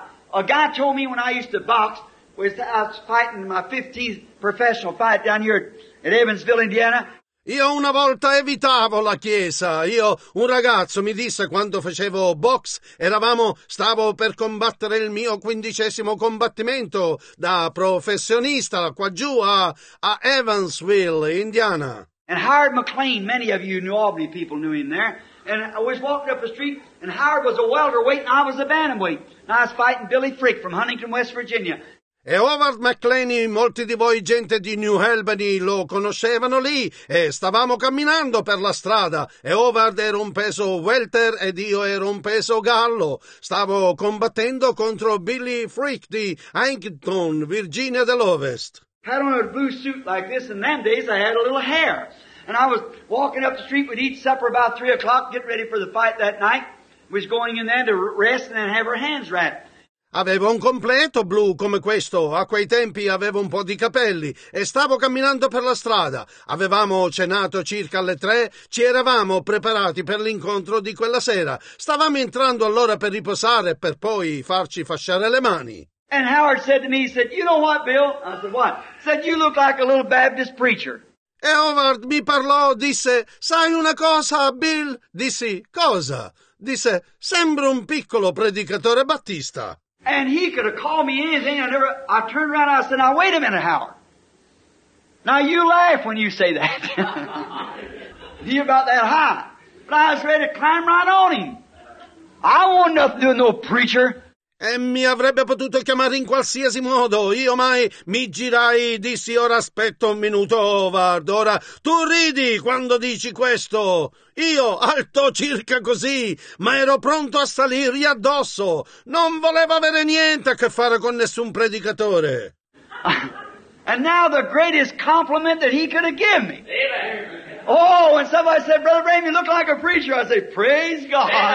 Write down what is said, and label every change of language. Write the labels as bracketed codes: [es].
[en] A guy told me when I used to box, I was fighting my 15th professional fight down here at Evansville, Indiana. [it] Io una volta evitavo la chiesa. Io, un ragazzo mi disse quando facevo box, stavo per combattere il mio 15° combattimento da professionista qua giù a Evansville, Indiana. [en] And Howard McLean, many of you knew, Albany people knew him there. And I was walking up the street, and Howard was a welder weight, and I was a bantamweight. And I was fighting Billy Frick from Huntington, West Virginia. [it] E Howard McLean, molti di voi gente di New Albany lo conoscevano lì e stavamo camminando per la strada e Howard era un peso welter ed io ero un peso gallo. Stavo combattendo contro Billy Frick di Huntington, Virginia dell'Ovest. [en] Had on a blue suit like this, and them days I had a little hair. And I was walking up the street. We'd eat supper about 3 o'clock, get ready for the fight that night. Was going in there to rest and then have her hands wrapped. [it] Aveva un completo blu come questo, a quei tempi avevo un po' di capelli e stavo camminando per la strada. Avevamo cenato circa alle 3, ci eravamo preparati per l'incontro di quella sera. Stavamo entrando allora per riposare per poi farci fasciare le mani. [en] And Howard said to me, he said, "You know what, Bill?" I said, "What?" He said, "You look like a little Baptist preacher." [it] E Howard mi parlò, disse, "Sai una cosa, Bill?" Dissi, "Cosa?" Disse, "Sembro un piccolo predicatore battista." [en] And he could have called me anything. I turned around and I said, "Now, wait a minute, Howard. Now, you laugh when you say that. You're about that high. But I was ready to climb right on him. I want nothing to do with no preacher." [it] E mi avrebbe potuto chiamare in qualsiasi modo. Io mai mi girai, dissi, "Ora aspetta un minuto, Howard. Ora tu ridi quando dici questo." Io, alto circa così, ma ero pronto a salirgli addosso. Non volevo avere niente a che fare con nessun predicatore. [en] And now the greatest compliment that he could have given me. Oh, when somebody said, "Brother Bram, you look like a preacher," I say, "Praise God."